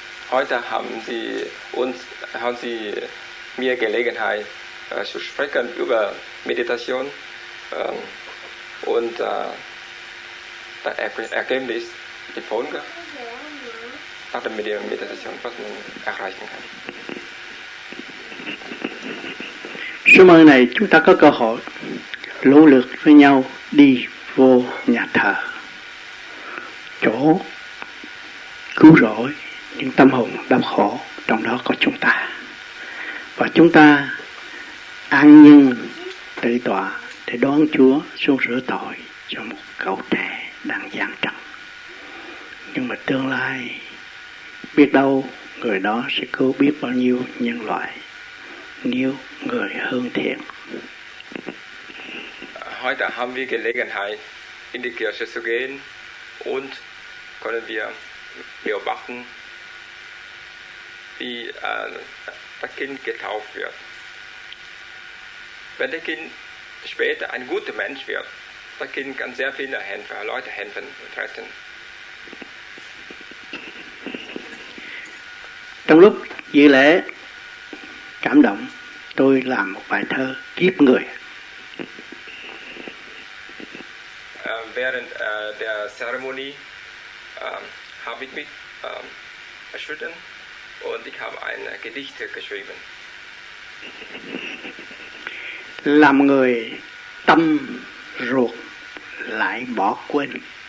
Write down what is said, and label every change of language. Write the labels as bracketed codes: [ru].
[de] Heute haben Sie mir Gelegenheit zu sprechen über Meditation und das Ergebnis, die Folge nach der Meditation, was man erreichen kann. [vi] Chemin này chúng ta có cơ hội nỗ lực với nhau đi vô nhà thờ, chỗ cứu rỗi những tâm hồn đau khổ, trong đó có chúng ta. Và chúng ta an nhiên tự tọa để đón Chúa xuống rửa tội cho một cậu trẻ đang gian trần. Nhưng mà tương lai biết đâu người đó sẽ cứu biết bao nhiêu nhân loại nếu người hương thiện. [de] Heute haben wir Gelegenheit, in die Kirche zu gehen und können wir beobachten, wie das Kind getauft wird. Wenn das Kind später ein guter Mensch wird, das Kind kann sehr viele Leute helfen und retten. [vi] Trong lúc dự lễ cảm động, tôi làm một bài thơ kiếp người. [de] Während der Zeremonie habe ich mich erschüttert und ich habe ein Gedicht geschrieben. [vi] Làm người tâm ruột lại bỏ quên.